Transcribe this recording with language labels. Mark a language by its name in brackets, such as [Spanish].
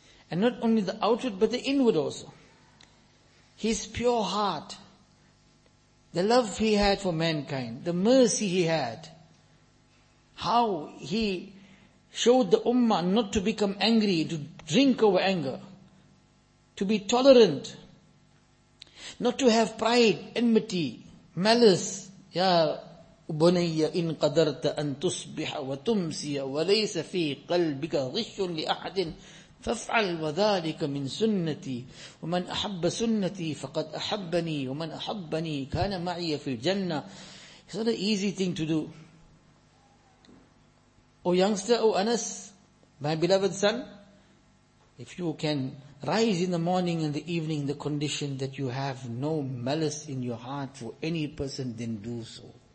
[English] And not only the outward, but the inward also. His pure heart, the love he had for mankind, the mercy he had, how he showed the ummah not to become angry, to drink over anger, to be tolerant, not to have pride, enmity, malice. [Arabic] يا بني إن قدرت أن تصبح وتمسي وليس في قلبك غش لأحد فافعل وذلك من سنتي ومن أحب سنتي فقد أحبني ومن أحبني كان معي في الجنة. [English] It's not an easy thing to do. O youngster, O Anas, my beloved son, if you can rise in the morning and the evening in the condition that you have no malice in your heart for any person, then do so.